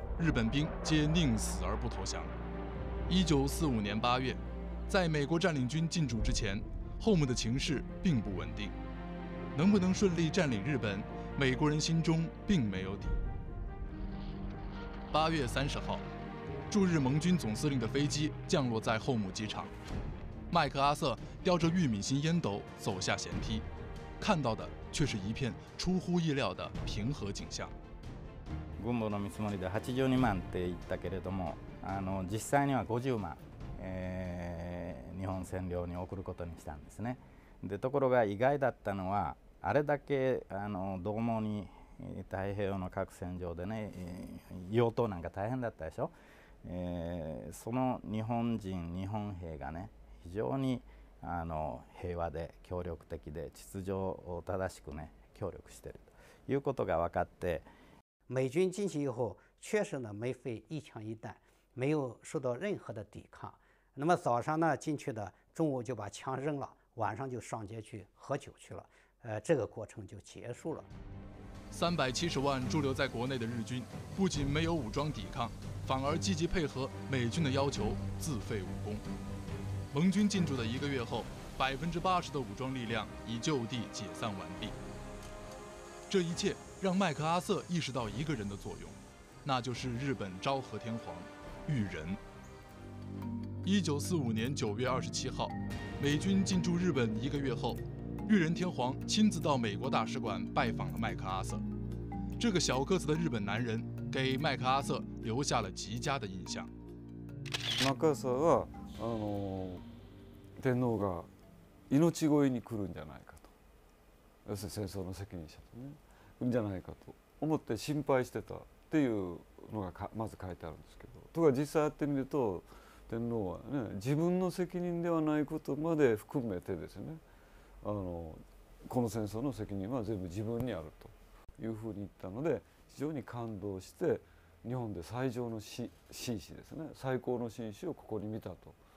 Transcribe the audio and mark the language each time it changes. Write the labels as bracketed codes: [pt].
[zh] 日本兵皆宁死而不投降。1945年8月，在美国占领军进驻之前，后母的情势并不稳定，能不能顺利占领日本，美国人心中并没有底。 8月30号，驻日盟军总司令的飞机降落在后母机场，麦克阿瑟叼着玉米心烟斗走下舷梯，看到的却是一片出乎意料的平和景象。 [ja] 軍部の見積もりで82万って言ったけれども、実際には50万、日本占領に送ることにしたんですね。でところが意外だったのは、あれだけ同盟に太平洋の各戦場でね、養豚なんか大変だったでしょ、その日本人、日本兵がね、非常に平和で協力的で秩序を正しくね、協力しているということが分かって、 [zh] 美军进去以后，确实呢没费一枪一弹，没有受到任何的抵抗。那么早上呢进去的，中午就把枪扔了，晚上就上街去喝酒去了，这个过程就结束了。 370万驻留在国内的日军，不仅没有武装抵抗，反而积极配合美军的要求，自废武功。盟军进驻的一个月后，80%的武装力量已就地解散完毕。这一切让麦克阿瑟意识到一个人的作用，那就是日本昭和天皇裕仁。 1945年9月27号，美军进驻日本一个月后，裕仁天皇亲自到美国大使馆拜访了麦克阿瑟。这个小个子的日本男人给麦克阿瑟留下了极佳的印象。 [ja] 麦克阿瑟は天皇が命乞いに来るんじゃないかと、要するに戦争の責任者とね。じゃないかと思って心配してたっていうのがまず書いてあるんですけど、とか実際やってみると天皇はね、自分の責任ではないことまで含めてですね、この戦争の責任は全部自分にあるというふうに言ったので、非常に感動して、日本で最上の紳士ですね、最高の紳士をここに見たと。